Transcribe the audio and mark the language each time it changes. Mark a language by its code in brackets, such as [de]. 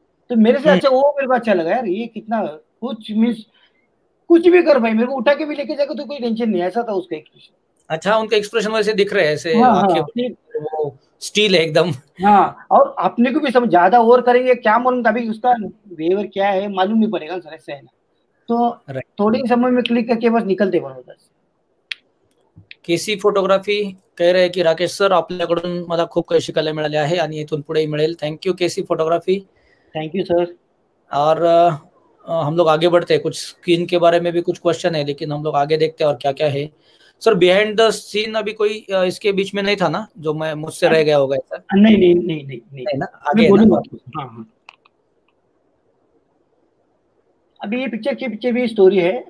[hi] तो मेरे से अच्छा वो मेरे को अच्छा लगा यार, ये कितना कुछ मीन्स कुछ भी कर भाई, मेरे को उठा के भी लेके जाएगा तो कोई टेंशन नहीं, ऐसा था उसका एक्सप्रेशन। अच्छा, उनके एक्सप्रेशन वैसे दिख रहे हैं ऐसे, आंखें वो स्टील है एकदम। हाँ, और अपने को भी समझ, ज्यादा ओवर करेंगे क्या मालूम, तभी उसका बिहेवियर क्या है मालूम नहीं पड़ेगा सर, ऐसा है ना। तो थोड़े ही समय में क्लिक करके बस निकलते पड़ो उधर से। केसी फोटोग्राफी कह रहे हैं कि [mr] राकेश सर आपल्याकडून मला खूप काही शिकायला मिळाले आहे आणि इथून पुढेही मिळेल। [en] Thank you KC photography. Thank you sir. [hi] और हम लोग आगे बढ़ते हैं, कुछ स्क्रीन के बारे में भी कुछ क्वेश्चन है, लेकिन हम लोग आगे देखते हैं और क्या-क्या है। सर बिहाइंड द सीन अभी कोई इसके बीच में नहीं था ना, जो मैं मुझसे रह गया होगा ऐसा, नहीं, है ना? मैं आगे है ना बोलूंगा बात। आपको। हाँ, अभी ये पिक्चर के पीछे भी स्टोरी है।